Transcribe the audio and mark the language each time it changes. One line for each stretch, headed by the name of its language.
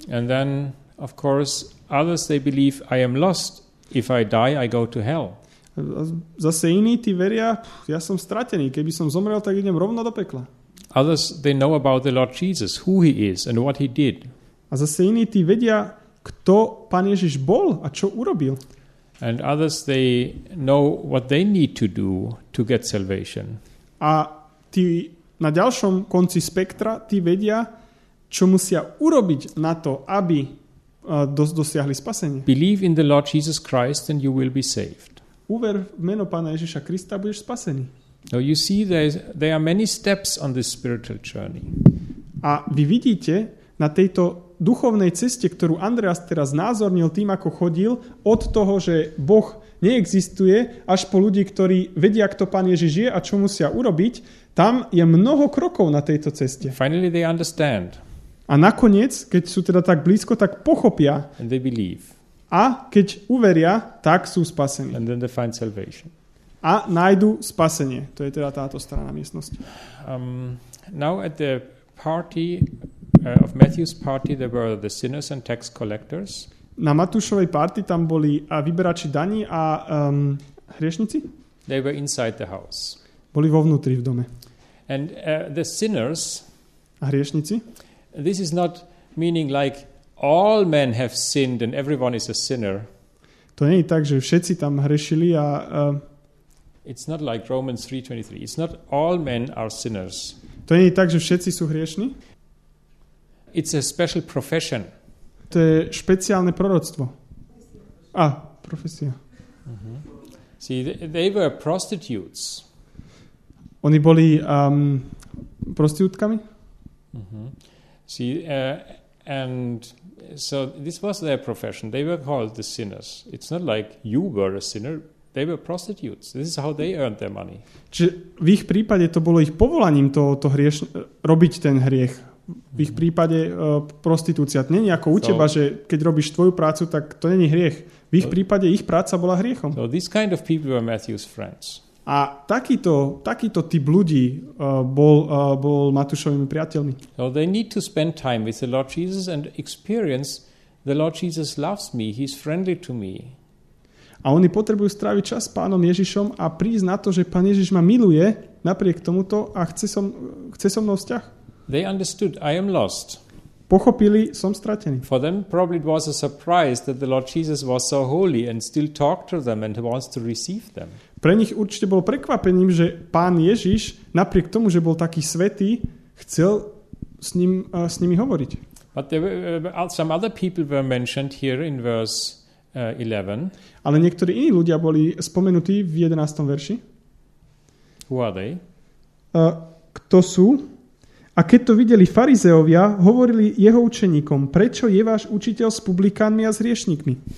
English: And then, of course, others they believe, I am lost. If I die, I go to hell.
Slovak: Zase iní, tí veria, ja som stratený, keby som zomrel, tak idem rovno do pekla.
English: Others, they know about the Lord Jesus, who he is and what he did.
Slovak: A zase iní, tí vedia, kto Pán Ježiš bol a čo urobil.
English: And others, they know what they need to do to get salvation.
Slovak: A tí na ďalšom konci spektra, tí vedia, čo musia urobiť na to, aby dosiahli spasenie.
English: Believe in the Lord Jesus Christ and you will be saved.
Slovak: Uver v meno Pána Ježiša Krista, budeš spasený.
English: No, you see, there are many steps on this spiritual journey.
Slovak: A vy vidíte, na tejto duchovnej ceste, ktorú Andreas teraz znázornil tým, ako chodil, od toho, že Boh neexistuje, až po ľudí, ktorí vedia, kto Pán Ježiš je a čo musia urobiť, tam je mnoho krokov na tejto ceste.
English: Finally they understand.
Slovak: A nakoniec, keď sú teda tak blízko, tak pochopia.
English: And they believe.
Slovak: A keď uveria, tak sú spasení.
English: And then they find salvation.
Slovak: A nájdu spasenie. To je teda táto strana miestnosti.
English: Now at the party of Matthew's party there were the sinners and tax collectors.
Slovak: Na Matúšovej party tam boli a vyberači daní a hriešnici.
English: They were inside the house.
Slovak: Boli vo vnútri v dome.
English: And the sinners.
Slovak: A hriešnici.
English: This is not meaning like all men have sinned and everyone is a sinner.
Slovak: To nie je tak, že všetci tam hrešili a
English: it's not like Romans 3:23. It's not all men are sinners.
Slovak: To nie je tak, že všetci sú hriešni.
English: It's a special profession.
Slovak: To je špeciálne proroctvo. A, profesia.
English: Uh-huh. See, they were prostitutes.
Slovak: Oni boli prostitútkami?
English: Uh-huh. See, and so this was their profession. They were called the sinners. It's not like you were a sinner. They were prostitutes. This is how they earned their money.
Slovak: Čiže v ich prípade to bolo ich povolaním to hriešne, robiť ten hriech. V ich prípade prostitúcia. Není ako u teba, že keď robíš tvoju prácu, tak to není hriech. V ich prípade ich práca bola hriechom.
English: So this kind of people were Matthew's friends.
Slovak: A takýto typ ľudí bol Matúšovými priateľmi.
English: So they need to spend time with the Lord Jesus and experience the Lord Jesus loves me, he's friendly to me.
Slovak: A oni potrebujú stráviť čas s Pánom Ježišom a prísť na to, že Pán Ježiš ma miluje napriek tomuto a chce so mnou vzťah.
English: They understood, I am lost.
Slovak: Pochopili, som stratený.
English: For them probably it was a surprise that the Lord Jesus was so holy and still talked to them and wants to receive them.
Slovak: Pre nich určite bolo prekvapením, že Pán Ježiš, napriek tomu, že bol taký svätý, chcel s nimi hovoriť.
English: But there were some other people were mentioned here in verse 11.
Slovak: Ale niektorí iní ľudia boli spomenutí v 11. verši. Who are they? Kto sú? A keď to videli farizeovia, hovorili jeho učeníkom, prečo je váš učiteľ s publikánmi a s hriešnikmi?